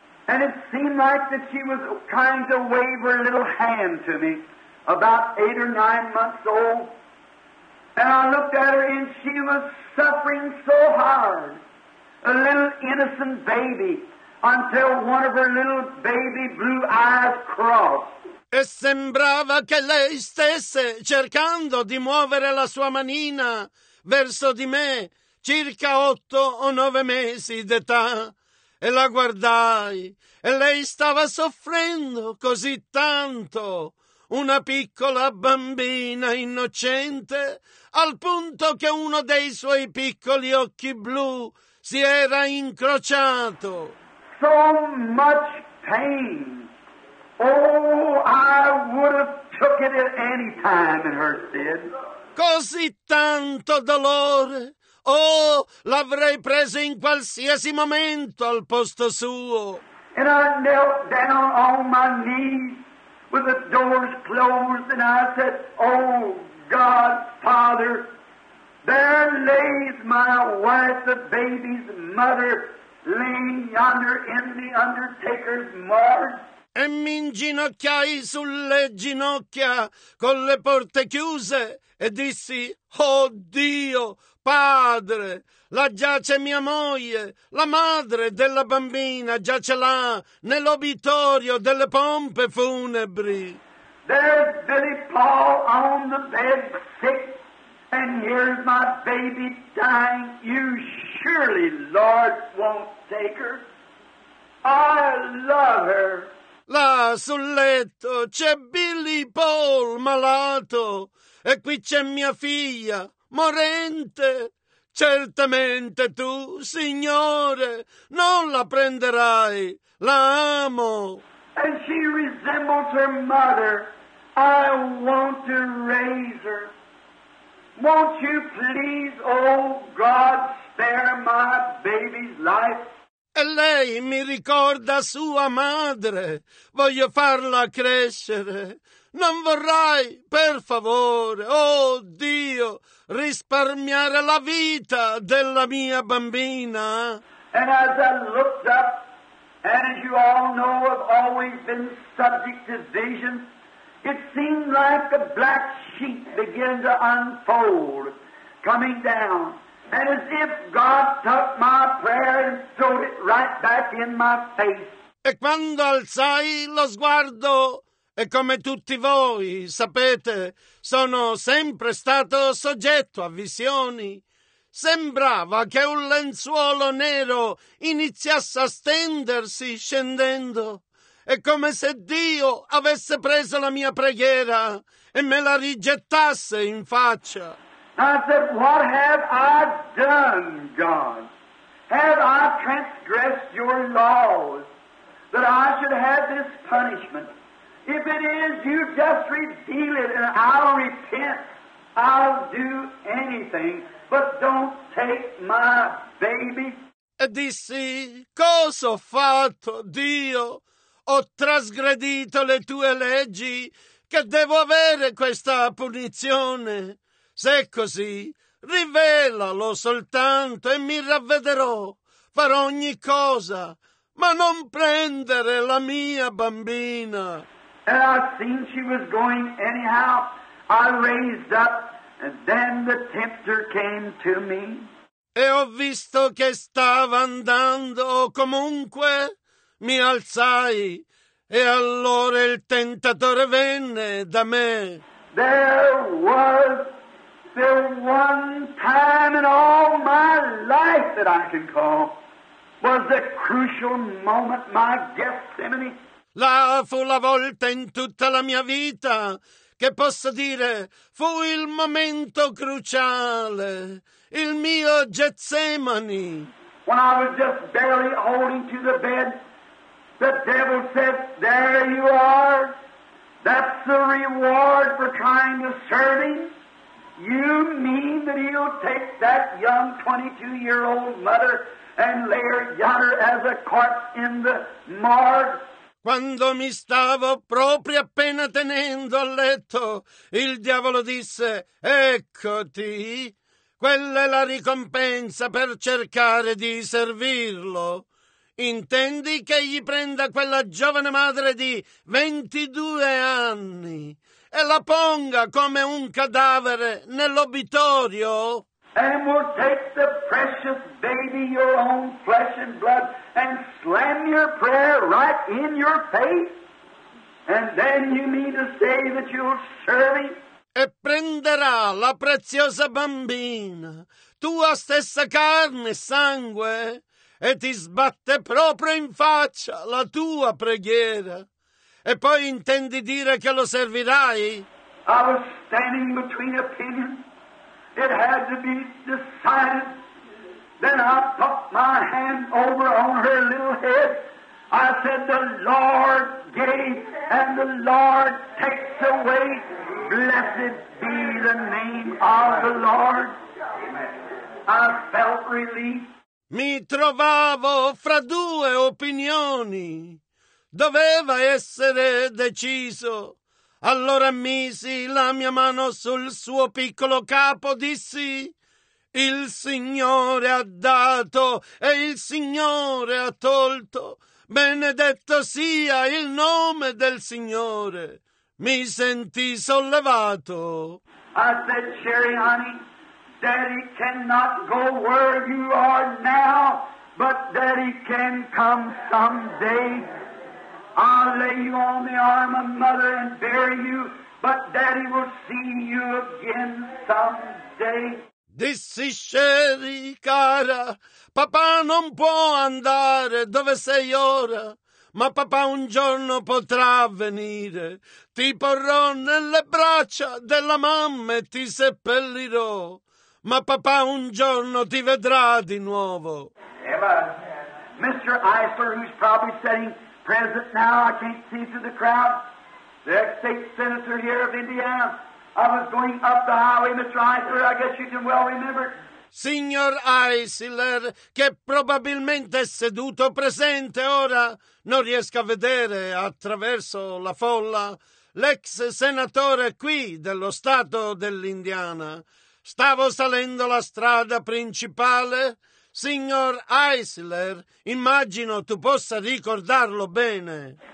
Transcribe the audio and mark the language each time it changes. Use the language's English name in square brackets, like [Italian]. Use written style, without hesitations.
[English] And it seemed like that she was trying to wave her little hand to me, about 8 or 9 months old. And I looked at her and she was suffering so hard. A little innocent baby, until one of her little baby blue eyes crossed. [Italian] E sembrava che lei stesse cercando di muovere la sua manina verso di me, circa 8 o 9 mesi d'età. E la guardai, e lei stava soffrendo così tanto. Una piccola bambina innocente, al punto che uno dei suoi piccoli occhi blu si era incrociato. [English] So much pain. Oh, I would have took it at any time in her stead. [Italian] Così tanto dolore. Oh, l'avrei preso in qualsiasi momento al posto suo. [English] And I knelt down on my knees with the doors closed and I said, oh, God, Father, there lays my wife, the baby's mother, laying yonder in the undertaker's morgue. [Italian] e mi inginocchiai sulle ginocchia con le porte chiuse e dissi: «Oh Dio, padre, là giace mia moglie, la madre della bambina giace là nell'obitorio delle pompe funebri». [English] There's Billy Paul on the bed sick, and here's my baby dying. You surely, Lord, won't take her. I love her. [Italian] Là sul letto c'è Billy Paul malato, e qui c'è mia figlia morente. Certamente tu, Signore, non la prenderai. La amo. [English] And she resembles her mother. I want to raise her. Won't you please, oh God, spare my baby's life? [Italian] E lei mi ricorda sua madre. Voglio farla crescere. Non vorrai, per favore, oh Dio, risparmiare la vita della mia bambina? [English] And as I looked up, and as you all know, I've always been subject to visions, it seemed like a black sheet began to unfold, coming down, and as if God took my prayer and threw it right back in my face. [Italian] E quando alzai lo sguardo, e come tutti voi sapete, sono sempre stato soggetto a visioni, sembrava che un lenzuolo nero iniziasse a stendersi scendendo. È come se Dio avesse preso la mia preghiera e me la rigettasse in faccia. [English] I said, what have I done, God? Have I transgressed your laws that I should have this punishment? If it is, you just reveal it and I'll repent. I'll do anything, but don't take my baby. [Italian] E dissi, cosa ho fatto, Dio? Ho trasgredito le tue leggi, che devo avere questa punizione. Se è così, rivelalo soltanto e mi ravvederò. Farò ogni cosa, ma non prendere la mia bambina. [English] And I seen she was going anyhow. I raised up, and then the tempter came to me. [Italian] E ho visto che stava andando comunque. Mi alzai, e allora il tentatore venne da me. [English] There was one time in all my life that I can call was the crucial moment, my Gethsemane. [Italian] Là fu la volta in tutta la mia vita che posso dire fu il momento cruciale, il mio Getsemani. [English] When I was just barely holding to the bed, the devil said, there you are. That's the reward for trying to serve him. You mean that he'll take that young 22-year-old mother and lay her yonder as a corpse in the morgue? [Italian] Quando mi stavo proprio appena tenendo a letto, il diavolo disse, eccoti, quella è la ricompensa per cercare di servirlo. Intendi che gli prenda quella giovane madre di 22 anni e la ponga come un cadavere nell'obitorio? [English] And we'll take the precious baby, your own flesh and blood, and slam your prayer right in your face. And then you mean to say that you'll serve him? [Italian] E prenderà la preziosa bambina, tua stessa carne e sangue, e ti sbatte proprio in faccia la tua preghiera. E poi intendi dire che lo servirai? [English] I was standing between opinions. It had to be decided. Then I put my hand over on her little head. I said, the Lord gave and the Lord takes away. Blessed be the name of the Lord. I felt relief. [Italian] Mi trovavo fra due opinioni. Doveva essere deciso. Allora misi la mia mano sul suo piccolo capo, dissi, il Signore ha dato e il Signore ha tolto, benedetto sia il nome del Signore. Mi sentì sollevato. [English] I said, Sherry, honey, Daddy cannot go where you are now, but Daddy can come someday. I'll lay you on the arm of Mother and bury you, but Daddy will see you again someday. [Italian] Dissi, Sherry, cara, papà non può andare dove sei ora, ma papà un giorno potrà venire. Ti porrò nelle braccia della mamma e ti seppellirò, ma papà un giorno ti vedrà di nuovo. [English] Eva, Mr. Eisler, who's probably sitting present now, I can't see through the crowd, the ex-state senator here of Indiana. I was going up the highway, Mr. Eisler, I guess you can well remember. [Italian] Signor Eisler, che probabilmente è seduto presente ora, non riesco a vedere attraverso la folla, l'ex senatore qui dello stato dell'Indiana. Stavo salendo la strada principale. Signor Eisler, immagino tu possa ricordarlo bene.